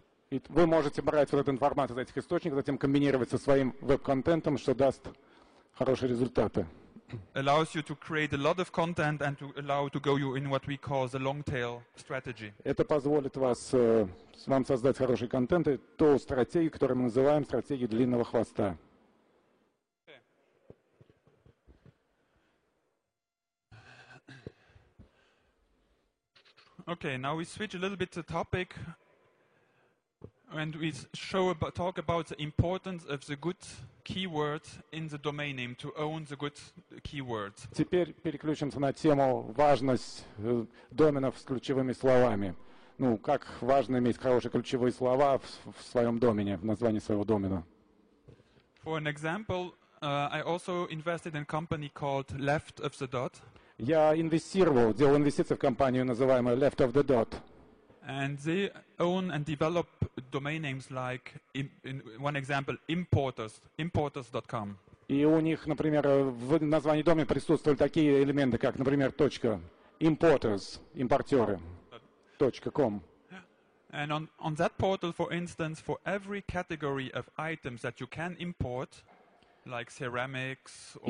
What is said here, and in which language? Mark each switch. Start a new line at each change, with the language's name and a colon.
Russian: И вы можете брать вот эту информацию из этих источников, затем комбинировать со своим веб-контентом, что даст хорошие результаты.
English: Allows you to create a lot of content and to allow to go you in what we call the long tail strategy.
Russian: Это позволит вам создать хороший контент и ту стратегию, которую мы называем стратегией длинного хвоста.
English: Okay. Okay, now we switch a little bit to topic and we talk about the importance of the good keywords in the domain name to own the good keywords.
Russian: Теперь переключимся на тему важность доменов с ключевыми словами. Ну, как важно иметь хорошие ключевые слова в своем домене, в названии своего домена.
English: For an example, I also invested in a company called Left of the Dot.
Russian: Я делал инвестиции в компанию, называемую Left of the Dot.
English: And they own and develop domain names like, in one example, importers.com.
Russian: И у них, например, в названии домена присутствовали такие элементы, как, например, точка importers, импортеры, точка com.
English: And on that portal, for instance, for every category of items that you can import, like ceramics or